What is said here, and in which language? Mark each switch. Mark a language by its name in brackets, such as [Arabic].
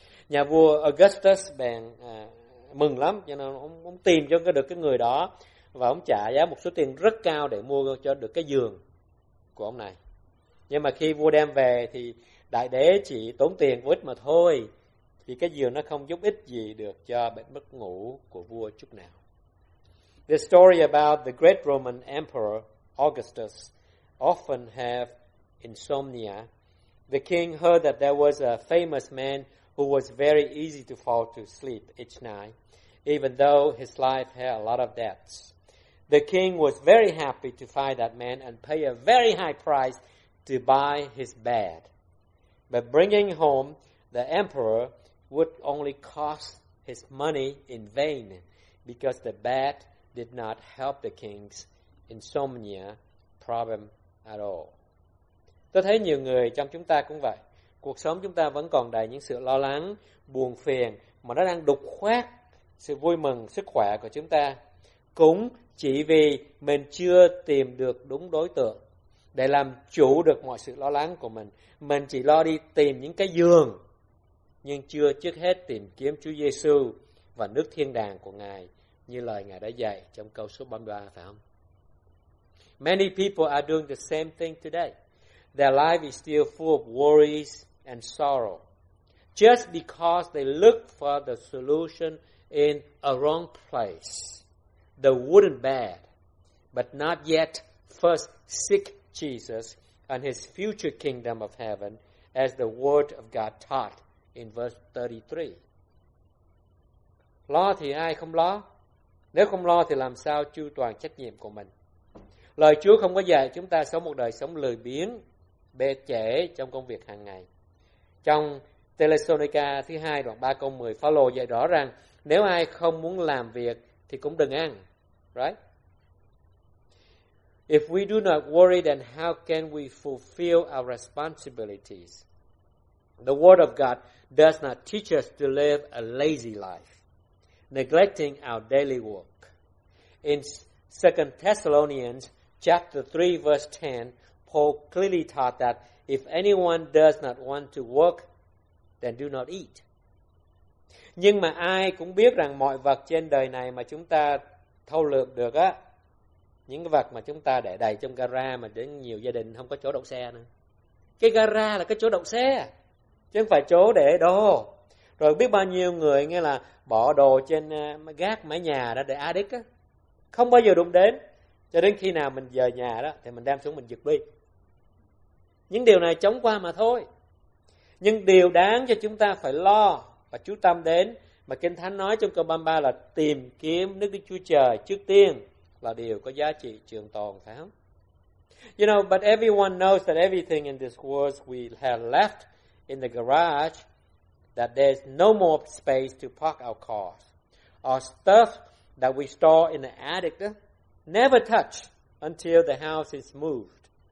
[Vietnamese] Nhà vua Augustus bèn mừng lắm, cho nên ông tìm cho được cái người đó và ông trả giá một số tiền rất cao để mua cho được cái giường của ông này. Nhưng mà khi vua đem về thì đại đế chỉ tốn tiền vô ích mà thôi, vì cái giường nó không giúp ích gì được cho bệnh mất ngủ của vua chút nào. [English] The story about the great Roman emperor Augustus often have insomnia. The king heard that there was a famous man who was very easy to fall to sleep each night, even though his life had a lot of debts. The king was very happy to find that man and pay a very high price to buy his bed. But bringing home the emperor would only cost his money in vain, because the bed did not help the king's insomnia problem at all. [Vietnamese] Tôi thấy nhiều người trong chúng ta cũng vậy. Cuộc sống chúng ta vẫn còn đầy những sự lo lắng, buồn phiền mà nó đang đục khoét sự vui mừng, sức khỏe của chúng ta, cũng chỉ vì mình chưa tìm được đúng đối tượng để làm chủ được mọi sự lo lắng của mình. Mình chỉ lo đi tìm những cái giường, nhưng chưa trước hết tìm kiếm Chúa Giê-xu và nước thiên đàng của Ngài, như lời Ngài đã dạy trong câu số 33, phải không? [English] Many people are doing the same thing today. Their life is still full of worries and sorrow, just because they look for the solution in a wrong place, the wooden bed, but not yet first seek Jesus and his future kingdom of heaven, as the word of God taught in verse 33. [Vietnamese] Lo thì ai không lo? Nếu không lo thì làm sao chu toàn trách nhiệm của mình? Lời Chúa không có dạy chúng ta sống một đời sống lười biếng, bê trễ trong công việc hàng ngày. Trong Thessalonica thứ 2 đoạn 3 câu 10, Phaolô dạy rõ rằng nếu ai không muốn làm việc thì cũng đừng ăn. [English] Right? If we do not worry, then how can we fulfill our responsibilities? The word of God does not teach us to live a lazy life, neglecting our daily work. In 2 Thessalonians chapter 3, verse 10, Paul clearly taught that if anyone does not want to work, then do not eat. [Vietnamese] Nhưng mà ai cũng biết rằng mọi vật trên đời này mà chúng ta thâu lược được á, những cái vật mà chúng ta để đầy trong gara mà đến nhiều gia đình không có chỗ đậu xe nữa. Cái gara là cái chỗ đậu xe, chứ không phải chỗ để đồ. Rồi biết bao nhiêu người nghe là bỏ đồ trên gác mái nhà đó để attic á, không bao giờ đụng đến. Cho đến khi nào mình về nhà đó thì mình đem xuống mình giựt đi. Những điều này chóng qua mà thôi. Nhưng điều đáng cho chúng ta phải lo và chú tâm đến mà Kinh Thánh nói trong câu 33 là tìm kiếm Đức Chúa Trời trước tiên là điều có giá trị trường tồn, phải không? [English] You know, but everyone knows that everything in this world we have left in the garage, that there's no more space to park our cars, or stuff that we store in the attic never touch until the house is moved.